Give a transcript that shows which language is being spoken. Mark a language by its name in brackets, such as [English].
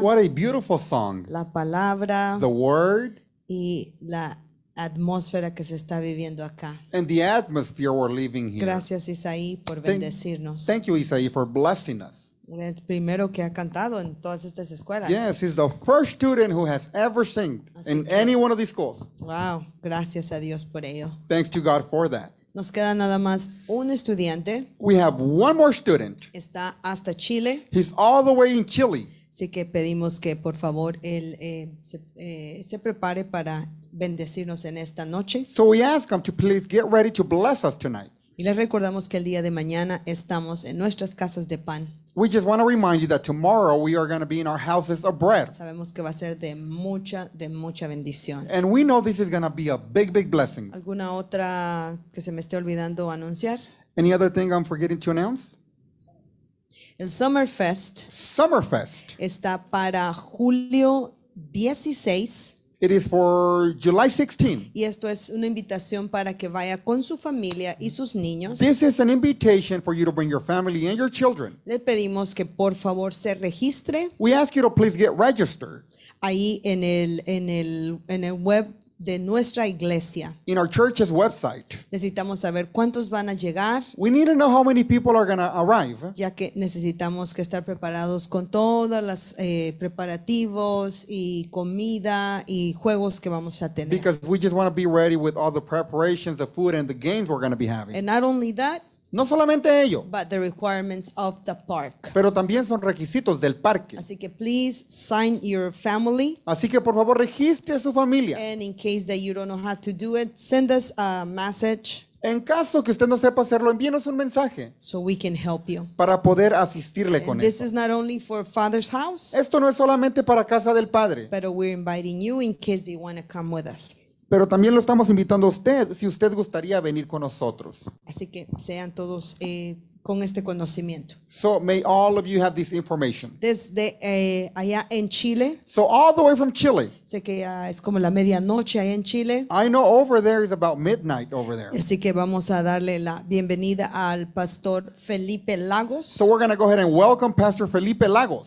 [English] What a beautiful song. [Spanish] La palabra. [English] The word. [Spanish] Y la atmósfera que se está viviendo acá. [English] And the atmosphere we're living here. [Spanish] Gracias, Isaí, por bendecirnos. [English] Thank you, Isaí, for blessing us. [Spanish] El primero que ha cantado en todas estas escuelas. [English] Yes, he's the first student who has ever sung in any one of these schools. [Spanish] Wow, gracias a Dios por ello. [English] Thanks to God for that. [Spanish] Nos queda nada más un estudiante. [English] We have one more student. [Spanish] Está hasta Chile. [English] He's all the way in Chile. [Spanish] Así que pedimos que por favor él se prepare para bendecirnos en esta noche. [English] So we ask him to please get ready to bless us tonight. [Spanish] Y les recordamos que el día de mañana estamos en nuestras casas de pan. [English] We just want to remind you that tomorrow we are going to be in our houses of bread. [Spanish] Sabemos que va a ser de mucha bendición. [English] And we know this is going to be a big, big blessing. [Spanish] ¿Alguna otra que se me esté olvidando anunciar? [English] Any other thing I'm forgetting to announce? [Spanish] El Summerfest. [English] Summerfest. [Spanish] Está para julio 16. [English] It is for July 16. [Spanish] Y esto es una invitación para que vaya con su familia y sus niños. [English] This is an invitation for you to bring your family and your children. [Spanish] Le pedimos que por favor se registre. We ask you to please get registered. Ahí en el web de nuestra iglesia. [English] In our church's website. [Spanish] Necesitamos saber cuántos van a llegar. [English] We need to know how many people are going to arrive. [Spanish] Ya que necesitamos que estar preparados con todas las preparativos y comida y juegos que vamos a tener. [English] Because we just want to be ready with all the preparations, the food and the games we're going to be having. And not only that. [Spanish] No solamente ello. [English] But the requirements of the park. [Spanish] Pero también son requisitos del parque. Así que [English] please sign your family. [Spanish] Así que por favor registre a su familia. [English] And in case that you don't know how to do it, send us a message. [Spanish] En caso que usted no sepa hacerlo, envíenos un mensaje. [English] So we can help you. [Spanish] Para poder asistirle con esto. [English] This is not only for Father's house. [Spanish] Esto no es solamente para casa del padre. [English] But we're inviting you in case you want to come with us. [Spanish] Pero también lo estamos invitando a usted, si usted gustaría venir con nosotros. Así que sean todos con este conocimiento. [English] So may all of you have this information. [Spanish] Desde allá en Chile. [English] So all the way from Chile. [Spanish] Sé que ya es como la medianoche allá en Chile. [English] I know over there is about midnight over there. [Spanish] Así que vamos a darle la bienvenida al Pastor Felipe Lagos. [English] So we're going to go ahead and welcome Pastor Felipe Lagos.